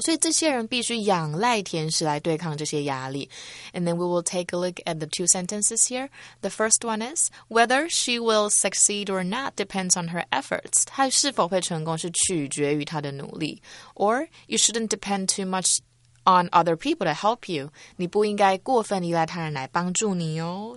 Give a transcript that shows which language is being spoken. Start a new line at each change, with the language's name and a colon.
Chinese: 所以这些人必须仰赖甜食来对抗这些压力。
English: And then we will take a look at the two sentences here. The first one is, whether she will succeed or not depends on her efforts.
Chinese: 她是否会成功是取决于她的努力。
English: Or, you shouldn't depend too much on other people to help you.
Chinese: 你不应该过分依赖他人来帮助你哦。